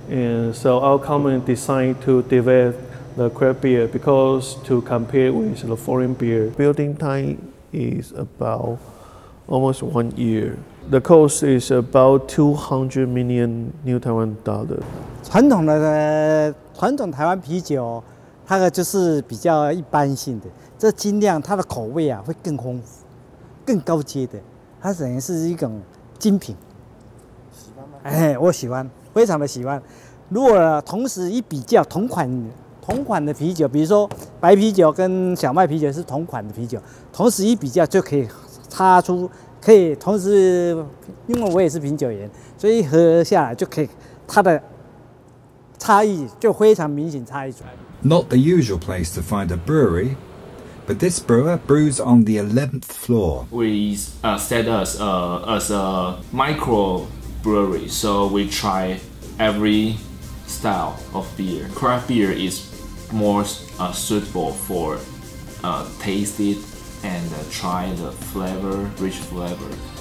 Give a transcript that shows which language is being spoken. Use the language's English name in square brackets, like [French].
[English] And so our company decided to develop the craft beer because to compare with the foreign beer. Building time is about almost 1 year. The cost is about 200 million New Taiwan dollars. [Chinese] 传统的台湾啤酒，它的就是比较一般性的。这精酿它的口味啊会更丰富，更高阶的，它等于是一种精品。喜欢吗？哎，我喜欢，非常的喜欢。如果同时一比较同款的啤酒，比如说白啤酒跟小麦啤酒是同款的啤酒，同时一比较就可以差出。可以同时，因为我也是品酒员，所以一喝下来就可以，它的差异就非常明显差异出来。 [English] Not the usual place to find a brewery, but this brewer brews on the 11th floor. We set us as a micro brewery, so we try every style of beer. Craft beer is more suitable for tasted. And try the flavor, rich flavor.